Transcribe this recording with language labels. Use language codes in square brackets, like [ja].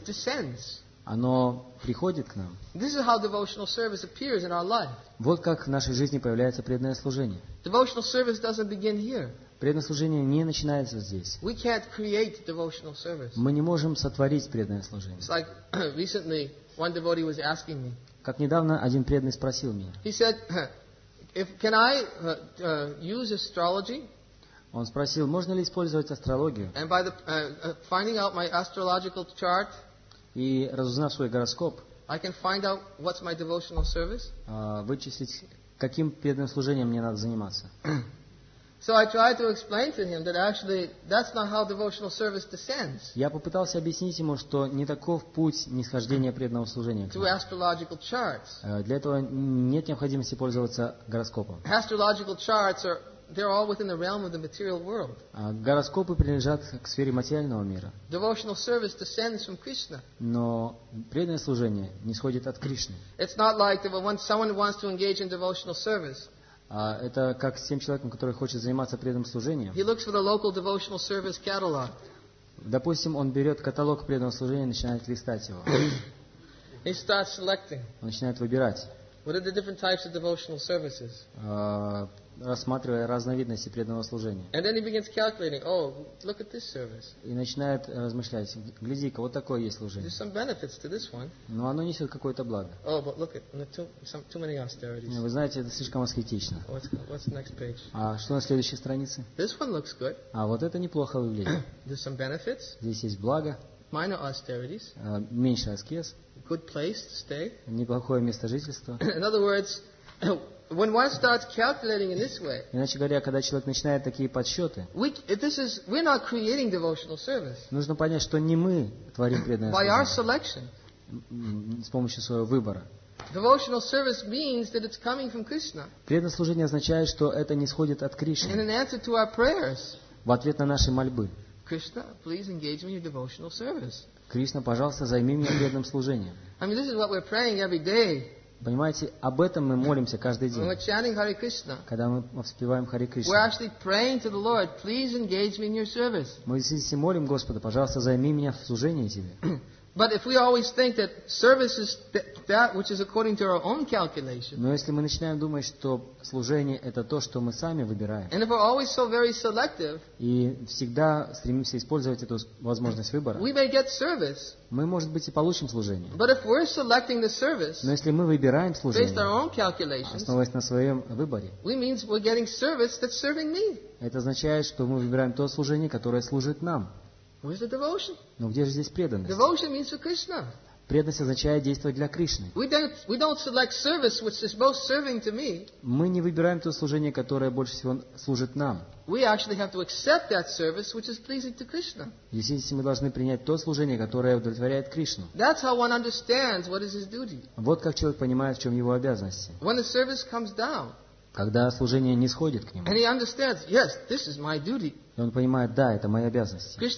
[en] It descends. [ru] Оно приходит к нам. [en] This is how devotional service appears in our life. [ru] Вот как в нашей жизни появляется преданное служение. [en] Devotional service doesn't begin here. [ru] Преданное служение не начинается здесь. [en] We can't create devotional service. [ru] Мы не можем сотворить преданное служение. [en] It's like recently one devotee was asking me. [ru] Как недавно один преданный спросил меня. [en] He said, if can I use astrology? [ru] Он спросил, можно ли использовать астрологию? [en] And by the finding out my astrological chart. [ru] И разузнав свой гороскоп, [en] I can find out what's my devotional service. [ru] Вычислить, каким преданным служением мне надо заниматься. [en] So I tried to explain to him that actually that's not how devotional service descends. [ru] Я попытался объяснить ему, что не таков путь нисхождения преданного служения. [en] To astrological charts. [ru] Для этого нет необходимости пользоваться гороскопом. [en] Astrological charts are they're all within the realm of the material world. [ru] Гороскопы принадлежат к сфере материального мира. [en] Devotional service descends from Krishna. [ru] Но преданное служение нисходит от Кришны. [en] It's not like that when someone wants to engage in devotional service. [ru] Это как с тем человеком, который хочет заниматься преданным служением. [en] He looks for the local devotional service catalog. [ru] Допустим, он берет каталог преданного служения и начинает листать его. [en] He starts selecting. [ru] Он начинает выбирать. [en] What are the different types of devotional services? [ru] Рассматривая разновидности преданного служения. [en] And then he begins calculating. Oh, look at this service. [ru] И начинает размышлять. Гляди-ка, вот такое есть служение. [en] There's some benefits to this one. [ru] Но оно несет какое-то благо. [en] Oh, but look at too many austerities. [ru] Вы знаете, это слишком аскетично. [en] What's the next page? [ru] А что на следующей странице? [en] This one looks good. [ru] А вот это неплохо выглядит. [en] There's some benefits. [ru] Здесь есть благо. [en] Minor austerities. [ru] Меньше аскез. [en] Good place to stay. [ru] Неплохое место жительства. [en] In other words, when one starts calculating in this way, [ru] иначе говоря, когда человек начинает такие подсчеты, [en] we're not creating devotional service. [ru] Нужно понять, что не мы творим преданное служение. [en] By our selection. [ru] С помощью своего выбора. [en] Devotional service means that it's coming from Krishna. [ru] Преданное служение означает, что это нисходит от Кришны. [en] And in answer to our prayers. [ru] В ответ на наши мольбы. [en] Krishna, please engage me in your devotional service. [ru] Кришна, пожалуйста, займи меня преданным служением. [en] I mean, this is what we're praying every day. [ru] Понимаете, об этом мы молимся каждый день. Когда мы воспеваем Харе Кришна. Мы действительно молим Господа, пожалуйста, займи меня в служении Тебе. [en] But if we always think that service is that which is according to our own calculation. [ru] Но если мы начинаем думать, что служение это то, что мы сами выбираем. [en] And if we're always so very selective. [ru] И всегда стремимся использовать эту возможность выбора. [en] We may get service. [ru] Мы, может быть, и получим служение. [en] But if we're selecting the service. [ru] Но если мы выбираем служение. [en] Based on our own calculations. [ru] Основываясь на своем выборе. [en] We means we're getting service that's serving me. [ru] Это означает, что мы выбираем то служение, которое служит нам. [en] Where's the devotion? [ru] Но где же здесь преданность? [en] Devotion means for Krishna. [ru] Преданность означает действовать для Кришны. [en] We don't select service which is most serving to me. [ru] Мы не выбираем то служение, которое больше всего служит нам. [en] We actually have to accept that service which is pleasing to Krishna. [ru] Действительно, мы должны принять то служение, которое удовлетворяет Кришну. [en] That's how one understands what is his duty. [ru] Вот как человек понимает, в чем его обязанности. [en] When the service comes down. [ru] Когда служение не сходит к нему. И он понимает, да, это моя обязанность.